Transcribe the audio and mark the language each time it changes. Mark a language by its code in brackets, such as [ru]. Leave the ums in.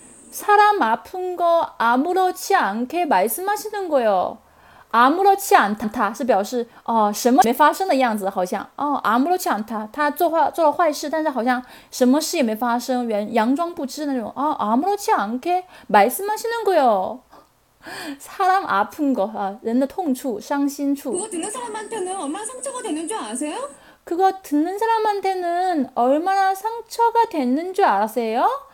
[ko] 사람 아픈 거 아무렇지 않게 말씀하시는 거예요. 아무렇지 않다. [zh] 是表示, 어, 什么没发生的样子,好像. [ko] 어, 아무렇지 않다. [zh] 他做了坏事,但是好像什么事也没发生,佯装不知那种. [ko] 어, 아무렇지 않게 말씀하시는 거요 사람 아픈 거, 어 [zh] 人的 [ko] 통추, 상신추. 그거 듣는 사람한테는 얼마나 상처가 되는 줄 아세요? 그거 듣는 사람한테는 얼마나 상처가 되는 줄 아세요?